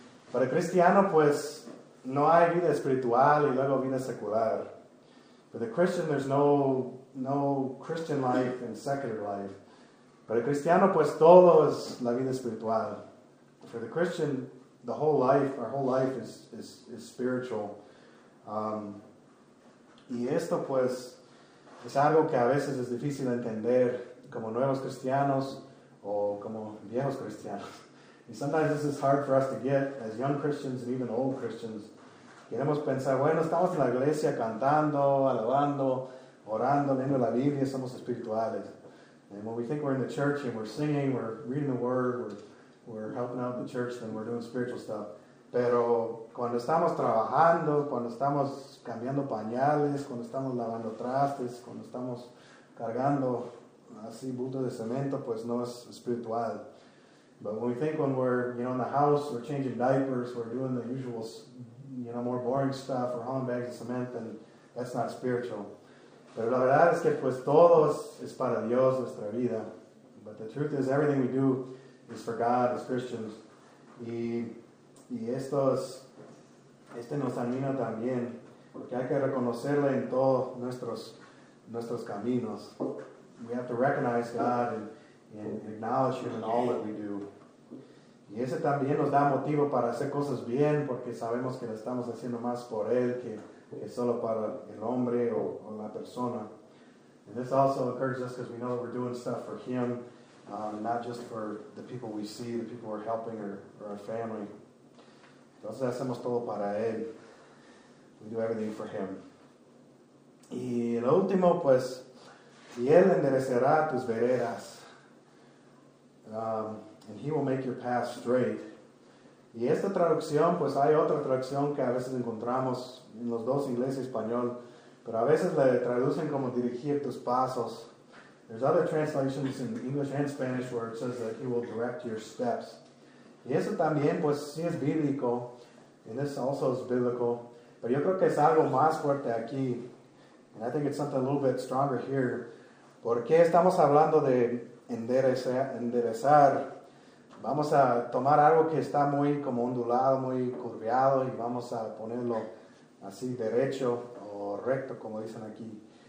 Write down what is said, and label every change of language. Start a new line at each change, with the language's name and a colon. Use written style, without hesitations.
Spanish: Para el cristiano, pues, no hay vida espiritual y luego vida secular.
English: For the Christian, there's no Christian life and secular life. Para el cristiano, pues todo es la vida espiritual. For the Christian, the whole life, our whole life is spiritual.
Spanish: Y esto, pues, es algo que a veces es difícil de entender como nuevos cristianos o como viejos cristianos.
English: And sometimes this is hard for us to get as young Christians and even old Christians.
Spanish: Queremos pensar, bueno, estamos en la iglesia cantando, alabando, orando, leyendo la Biblia, somos espirituales.
English: And when we think we're in the church and we're singing, we're reading the word, we're helping out the church, then we're doing spiritual stuff.
Spanish: Pero cuando estamos trabajando, cuando estamos cambiando pañales, cuando estamos lavando trastes, cuando estamos cargando así bultos de cemento, pues no es espiritual.
English: But when we think when we're, you know, in the house, we're changing diapers, we're doing the usual, you know, more boring stuff, we're hauling bags of cement, then that's not spiritual.
Spanish: Pero la verdad es que pues todo es para Dios nuestra vida.
English: But the truth is everything we do is for God as Christians.
Spanish: Y esto es, este nos anima también. Porque hay que reconocerle en todos nuestros caminos. We have to recognize God
English: and acknowledge Him in all that we do.
Spanish: Y ese también nos da motivo para hacer cosas bien, porque sabemos que lo estamos haciendo más por Él que solo para el hombre o la persona.
English: And this also encourages us because we know that we're doing stuff for Him, not just for the people we see, the people we're helping, or our family.
Spanish: Entonces hacemos todo para Él. We do everything for Him. Y lo último, pues, y Él enderecerá tus veredas. And He will make your path straight. Y esta traducción, pues hay otra traducción que a veces encontramos en los dos inglés y español, pero a veces la traducen como dirigir tus pasos.
English: There's other translations in English and Spanish where it says that He will direct your steps.
Spanish: Y eso también, pues sí es bíblico, and this also is biblical, pero yo creo que es algo más fuerte aquí.
English: And I think it's something a little bit stronger here.
Spanish: ¿Por qué estamos hablando de enderezar? Vamos a tomar algo que está muy como ondulado, muy curviado, y vamos a ponerlo así derecho o recto, como dicen aquí.